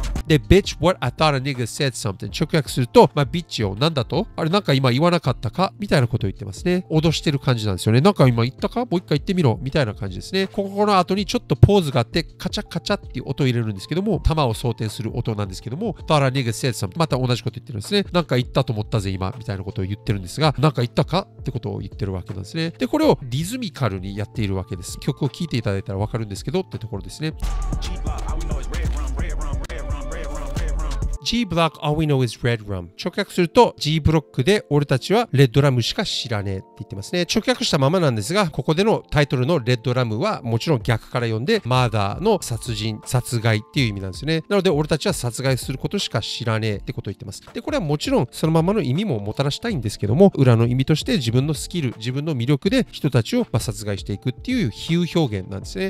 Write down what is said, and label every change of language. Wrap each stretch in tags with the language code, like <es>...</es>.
<en>で、Bitch, what I thought a nigga said something.</en> <ja>直訳すると、まあ、Bitch よ、なんだと？あれ、なんか今言わなかったか？みたいなことを言ってますね。脅してる感じなんですよね。なんか今言ったか？もう一回言ってみろ。みたいな感じですね。ここの後にちょっとポーズがあって、カチャカチャっていう音を入れるんですけども、弾を装填する音なんですけども、</ja> <en>thought a nigga said something.</en> <ja>また同じこと言ってるんですね。なんか言ったと思ったぜ、今。みたいなことを言ってるんですが、なんか言ったか？ってことを言ってるわけなんですね。で、これをリズミカルにやっているわけです。曲を聴いていただいたらわかるんですけど、ってところですね。</ja> <en>G-Block, all we know is Red Rum.</en> <ja>直訳すると G ブロックで俺たちはレッドラムしか知らねえって言ってますね。直訳したままなんですが、ここでのタイトルのレッドラムはもちろん逆から読んで、マーダーの殺人、殺害っていう意味なんですよね。なので俺たちは殺害することしか知らねえってことを言ってます。で、これはもちろんそのままの意味ももたらしたいんですけども、裏の意味として自分のスキル、自分の魅力で人たちをま殺害していくっていう比喩表現なんですね。</ja>